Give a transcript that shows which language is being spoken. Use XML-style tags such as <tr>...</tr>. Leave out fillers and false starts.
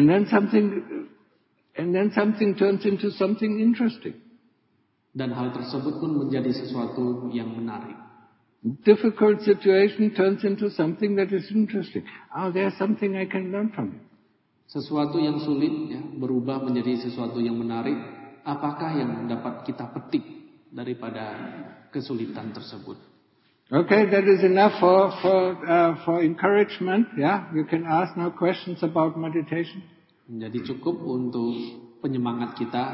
<en>And then something turns into something interesting.</en> <id>Dan hal tersebut pun menjadi sesuatu yang menarik.</id> <en>Difficult situation turns into something that is interesting. Oh, there's something I can learn from it.</en> <id>Sesuatu yang sulit, ya, berubah menjadi sesuatu yang menarik. Apakah yang dapat kita petik daripada kesulitan tersebut?</id> <en>Okay, that is enough for encouragement. Yeah, you can ask now questions about meditation.</en> <id>Jadi cukup untuk penyemangat kita.</id>